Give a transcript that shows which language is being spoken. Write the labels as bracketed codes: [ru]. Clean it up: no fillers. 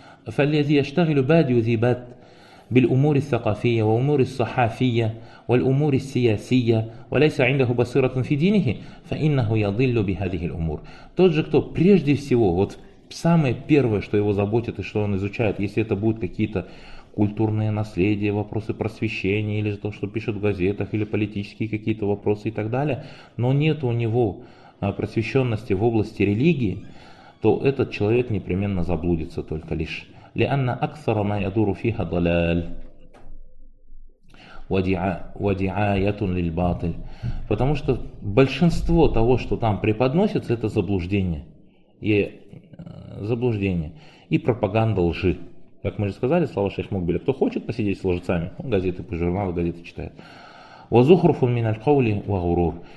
[ar] فالذي يشتغل بادي ذي بات بالأمور الثقافية وأمور الصحافية والأمور السياسية وليس عنده بصيرة في دينه فإنه يضل بهذه الأمور. [ru] Тот же, кто прежде всего, вот самое первое, что его заботит и что он изучает, если это будут какие-то культурные наследия, вопросы просвещения или то, что пишут в газетах, или политические какие-то вопросы и так далее, но нет у него просвещенности в области религии, то этот человек непременно заблудится только лишь. [ar] لأن أكثر ما يدور فيها ضلال ودعاية للباطل. [ru] Потому что большинство того, что там преподносится, это заблуждение. И заблуждение. И пропаганда лжи. Как мы же сказали, слова шейх Мукбеля, кто хочет посидеть с лжецами, он газеты, журналы, газеты читает. [ar] وزخرف من القول وغرور.